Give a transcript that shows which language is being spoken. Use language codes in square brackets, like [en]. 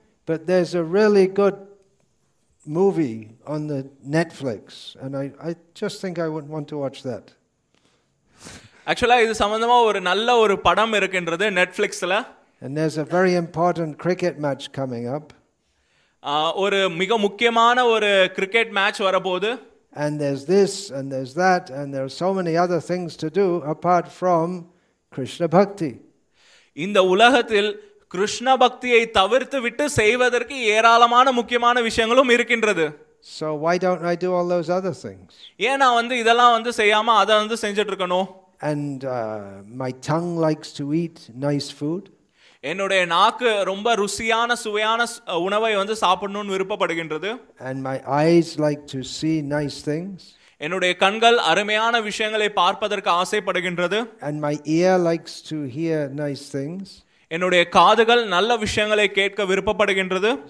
[en] But there's a really good movie on the Netflix and I just think I wouldn't want to watch that. [ta] Actually இது சம்பந்தமா ஒரு நல்ல ஒரு படம் இருக்கின்றது Netflixல. [en] And there's a very important cricket match coming up. [ta] ஒரு மிக முக்கியமான ஒரு கிரிக்கெட் மேட்ச் வரப்போகுது. [en] And there's this and there's that and there are so many other things to do apart from Krishna bhakti. [ta] இந்த உலகத்தில் கிருஷ்ண பக்தியை தவிர்த்து விட்டு செய்வதற்கு ஏராளமான முக்கியமான விஷயங்களும் இருக்கின்றது. [en] So why don't I do all those other things? [ta] ஏனா வந்து இதெல்லாம் வந்து செய்யாம அத வந்து செஞ்சிட்டு இருக்கனோ? [en] And my tongue likes to eat nice food. [ta] என்னுடைய நாக்கு ரொம்ப ருசியான சுவையான உணவை வந்து சாப்பிடணும்னு விருப்பப்படுகின்றது. [en] And my eyes like to see nice things. [ta] என்னுடைய கண்கள் அருமையான விஷயங்களை பார்ப்பதற்கு ஆசைப்படுகின்றது. [en] And my ear likes to hear nice things. [ta] என்னுடைய காதுகள் நல்ல விஷயங்களை கேட்க விருப்பப்படுகின்றது.